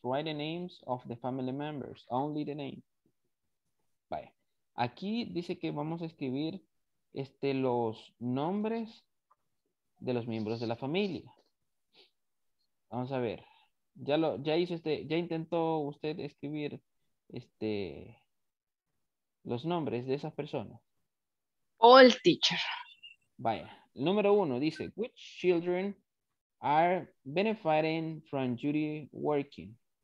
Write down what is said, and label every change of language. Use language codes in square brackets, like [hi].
[en] Write the names of the family members, only the name. [es] Vaya. Aquí dice que vamos a escribir los nombres de los miembros de la familia. Vamos a ver. ¿Ya intentó usted escribir los nombres de esas personas? [en] All teacher. [es] Vaya. Número uno dice: [en] which children are benefiting from Judy working?